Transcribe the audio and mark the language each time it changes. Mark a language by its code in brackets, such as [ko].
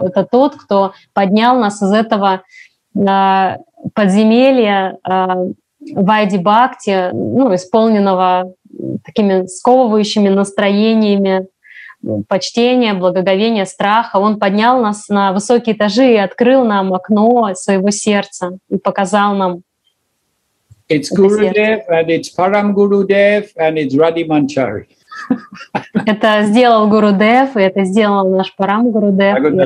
[ru] Это тот, кто поднял нас из этого подземелья Вайди Бхакти, ну, исполненного такими сковывающими настроениями почтения, благоговения, страха. Он поднял нас на высокие этажи и открыл нам окно своего сердца и показал нам. [en] It's Gurudev and it's Param Gurudev and it's Radhe Manchari. [ru] Это сделал Гурудев, и это сделал наш Парам Гурудев.